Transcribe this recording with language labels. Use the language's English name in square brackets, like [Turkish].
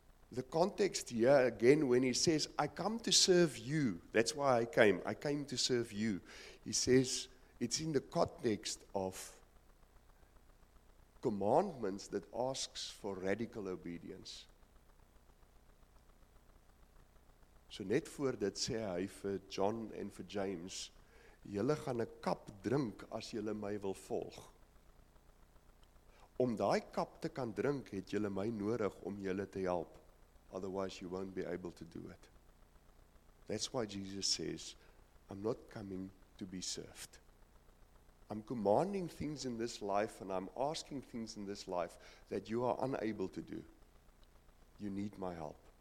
[English] The context here, again, when he says, I come to serve you. That's why I came. I came to serve you. He says, it's in the context of commandments that asks for radical obedience. [Afrikaans] So net voor dit sê hy vir John en vir James, julle gaan 'n kap drink as julle my wil volg. Om daai kap te kan drink, het julle my nodig om julle te help. [English] Otherwise, you won't be able to do it. That's why Jesus says, I'm not coming to be served. I'm commanding things in this life and I'm asking things in this life that you are unable to do. You need my help.